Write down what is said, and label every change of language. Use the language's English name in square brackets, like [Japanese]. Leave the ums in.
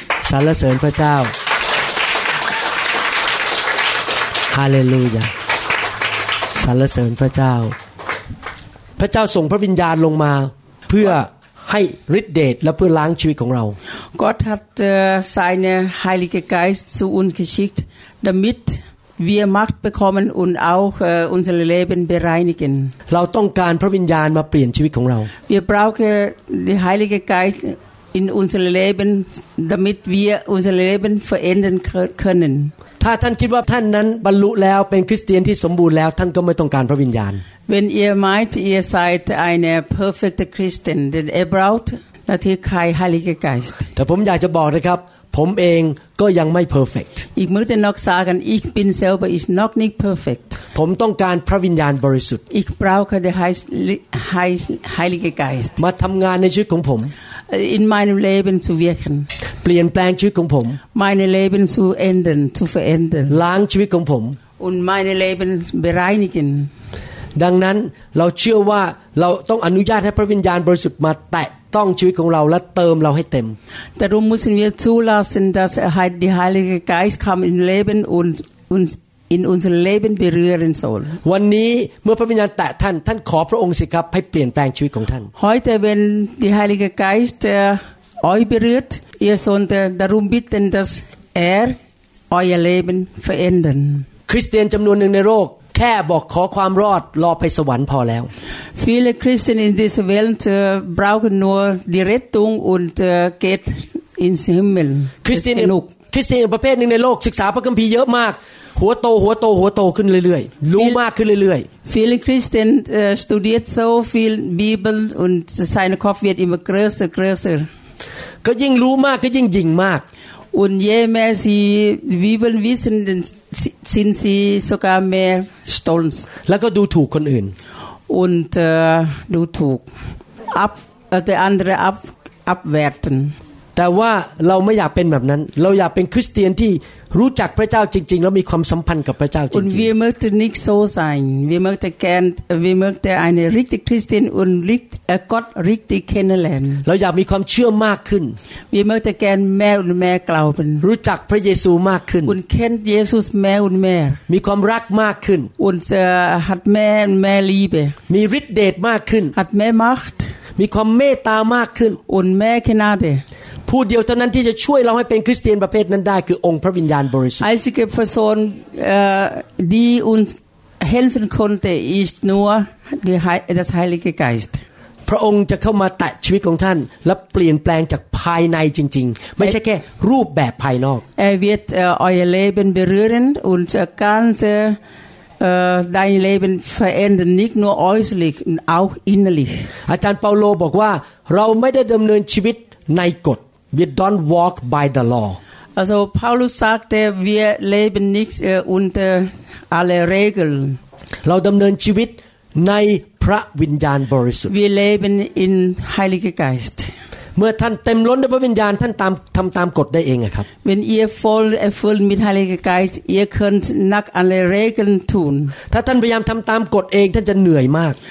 [Thai] สรรเสริญพระเจ้า ฮาเลลูยา สรรเสริญพระเจ้า พระเจ้าส่งพระวิญญาณลงมา เพื่อให้ฤทธิเดชและเพื่อล้างชีวิตของเรา [German] Gott hat äh, seinen Heiligen Geist zu uns geschickt, damit wir Macht bekommen und auch äh, unser Leben bereinigen. [Thai] เราต้องการพระวิญญาณมาเปลี่ยนชีวิตของเรา [German] Wir brauchen den Heiligen Geist in unser Leben, damit wir unser Leben verändern k- können. [Thai] ถ้าท่านคิดว่าท่านนั้นบรรลุแล้วเป็นคริสเตียนที่สมบูรณ์แล้ว ท่านก็ไม่ต้องการพระวิญญาณ [German] Wenn ihr meint, ihr seid eine perfekte Christin, denn ihr braucht natürlich keinen Heiligen Geist. [Thai] แต่ผมอยากจะบอกนะครับ ผมเองก็ยังไม่เพอร์เฟก [German] Ich möchte noch sagen, ich bin selber ich noch nicht perfekt. [Thai] ผมต้องการพระวิญญาณบริสุทธิ์ [German] Ich brauche den Heis- Heis- Heiligen Geist [Thai] มาทำงานในชีวิตของผม [German] in meinem Leben zu wirken, [Thai] เปลี่ยนแปลงชีวิตของผม [German] mein Leben zu ändern, zu verändern [Thai] ล้างชีวิตของผม [German] und mein Leben bereinigen. [Thai] ดังนั้นเราเชื่อว่าเราต้องอนุญาตให้พระวิญญาณบริสุทธิ์มาแตะต้องชีวิตของเราและเติมเราให้เต็ม [German] Darum müssen wir zulassen, dass er halt der Heilige Geist kam in Leben und uns in unser Leben berühren soll. [Thai] วันนี้เมื่อพระวิญญาณแตะท่านท่านขอพระองค์สิครับให้เปลี่ยนแปลงชีวิตของท่าน [German] Heute, wenn der Heilige Geist äh, euch berührt, ihr sollt äh, darum bitten, dass er euer Leben verändern. [Thai] คริสเตียนจำนวนหนึ่งในโลกแค่บอกขอความรอดรอไปสวรรค์พอแล้ว [German] Viele Christen in dieser Welt äh, brauchen nur die Rettung und äh, geht ins Himmel. [Thai] คริสเตียน [German] Ist genug. [Thai] คริสเตียนอีกประเภทหนึ่งในโลกศึกษาพระคัมภีร์เยอะมาก หัวโตหัวโตหัวโตขึ้นเรื่อยๆ รู้มากขึ้นเรื่อย [German] Viele Christen äh, studiert so viel Bibel und sein Kopf wird immer größer, größer. [Thai] ๆ ก็ยิ่งรู้มากก็ยิ่งยิงมาก [German] Und je mehr sie die Bibel wissen, dann si- sind sie sogar mehr stolz [Thai] แล้วก็ดูถูกคนอื่น [German] und äh, du tug. Ab, äh, der andere ab, abwerten. [Thai] แต่ว่าเราไม่อยากเป็นแบบนั้น เราอยากเป็นคริสเตียนที่รู้จักพระเจ้าจริง ๆ แล้วมีความสัมพันธ์กับพระเจ้าจริ [German] Und [Thai] ง [German] wir möchten nicht so sein. Wir möchten gern, wir möchten eine richtige Christin und richt- äh, Gott richtig kennenlernen. [Thai] ๆ เราอยากมีความเชื่อมากขึ้น [German] Wir möchten gern mehr und mehr glauben [Thai] รู้จักพระเยซูมากขึ้น [German] und kennt Jesus mehr und mehr. [Thai] มีความรักมากขึ้น [German] und äh, hat mehr und mehr Liebe, [Thai] มีฤทธิเดชมากขึ้น [German] hat mehr Macht [Thai] มีความเมตตามากขึ้น [German] und mehr Gnade. [Thai] ผู้เดียวเท่านั้นที่จะช่วยเราให้เป็นคริสเตียนประเภทนั้นได้คือองค์พระวิญญาณบริสุทธิ์ [German] Einzige Person, äh, die uns helfen konnte, ist nur die Hei das Heilige Geist. [Thai] พระองค์จะเข้ามาแตะชีวิตของท่าน และเปลี่ยนแปลงจากภายในจริง ๆ ไม่ใช่แค่รูปแบบภายนอก [German] Er wird äh, euer Leben berühren und äh, ganze äh, dein Leben verändern, nicht nur äußerlich, auch innerlich. [Thai] อาจารย์เปาโลบอกว่าเราไม่ได้ดำเนินชีวิตในกฎ [English] we don't walk by the law [German] Also Paulus sagte, wir leben nicht äh, unter alle Regeln. [Thai] เราดำเนินชีวิตในพระวิญญาณบริสุทธิ์ [German] Wir leben in Heiliger Geist. [Thai] เมื่อท่านเต็มล้นด้วยพระวิญญาณท่านตามทำตามกฎได้เองอะครับ [German] Wenn ihr voll erfüllt mit Heiliger Geist, ihr könnt nach alle Regeln tun. [Thai] ถ้าท่านพยายามทำตามกฎเองท่านจะเหนื่อยมาก